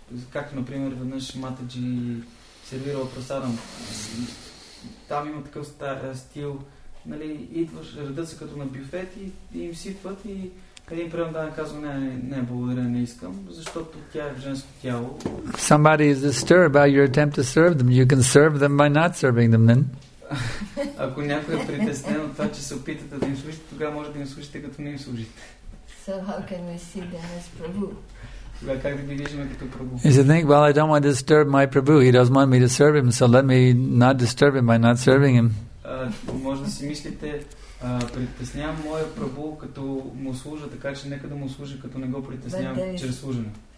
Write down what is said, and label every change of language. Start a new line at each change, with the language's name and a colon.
Bulgarian: Както, например, веднъж Матаджи сервирал прасадам. Там има такъв стил... Нали, идваш, редът са като на бюфет и, и им сипват и един преондар казва, не, благодаря, не искам, защото тя е в женско тяло.
English: If somebody is disturbed by your attempt to serve them, you can serve them by not serving them then.
Bulgarian: Ако някой е притеснен от това, че се опитате да им служите, тогава може да им служите като не им служите.
English: So how can we see them as Prabhu? Is he think, well, I don't want to disturb my Prabhu. He doesn't want me to serve him, so let me not disturb him by not serving him.
Bulgarian: Може да си мислите, притеснявам моя Прабу, като му служа, така че нека да му служа, като не го притеснявам чрез служене.